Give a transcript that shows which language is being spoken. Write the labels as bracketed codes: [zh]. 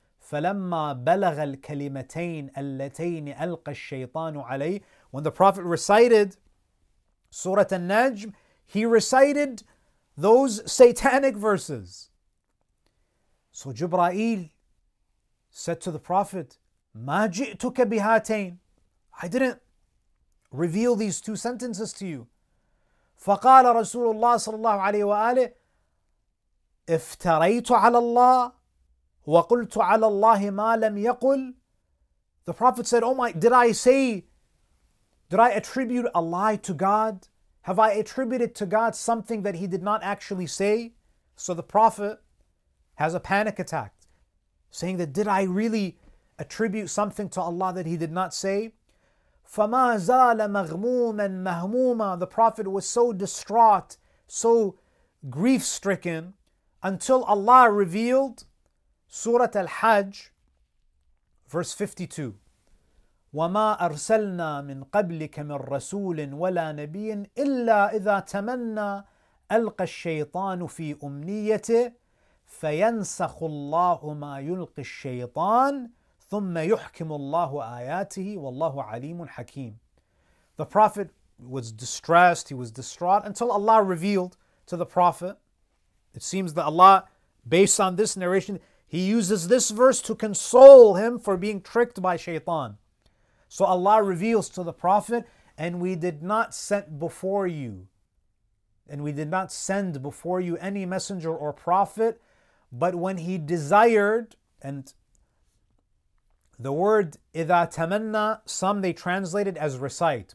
[ar] فَلَمَّا بَلَغَ الْكَلِمَتَيْنِ اللَّتَيْنِ أَلْقَ الشَّيْطَانُ عَلَيْهِ [en] When the Prophet recited Surah An-Najm, he recited those satanic verses. So Jibra'il said to the Prophet, [ar] مَا جِئْتُكَ بِهَاتَيْنِ [en] I didn't reveal these two sentences to you. [ar] فَقَالَ رَسُولُ اللَّهِ صَلَى اللَّهُ عَلَيْهِ وَآلِهِ افْتَرَيْتُ عَلَى اللَّهِ وَقُلْتُ عَلَى اللَّهِ مَا لَمْ يَقُلْ [en] The Prophet said, oh my, did I attribute a lie to God? Have I attributed to God something that he did not actually say? So the Prophet has a panic attack, saying that, did I really attribute something to Allah that he did not say? [ar] فَمَا زَالَ مَغْمُومًا مَهْمُومًا [en] The Prophet was so distraught, so grief-stricken, until Allah revealed Surah Al-Hajj, verse 52. [ar] وَمَا أَرْسَلْنَا مِنْ قَبْلِكَ مِنْ رَسُولٍ وَلَا نَبِيٍ إِلَّا إِذَا تَمَنَّى أَلْقَى الشَّيْطَانُ فِي أُمْنِيَّتِهِ فَيَنْسَخُ اللَّهُ مَا يُلْقِي الشَّيْطَانُ ثُمَّ يُحْكِمُ اللَّهُ آيَاتِهِ وَاللَّهُ عَلِيمٌ حَكِيمٌ [en] The Prophet was distressed, he was distraught, until Allah revealed to the Prophet. It seems that Allah, based on this narration, he uses this verse to console him for being tricked by shaitan. So Allah reveals to the Prophet, and we did not send before you any messenger or prophet, but when he desired, and the word [ar] إِذَا تَمَنَّى, [en] some they translate it as recite.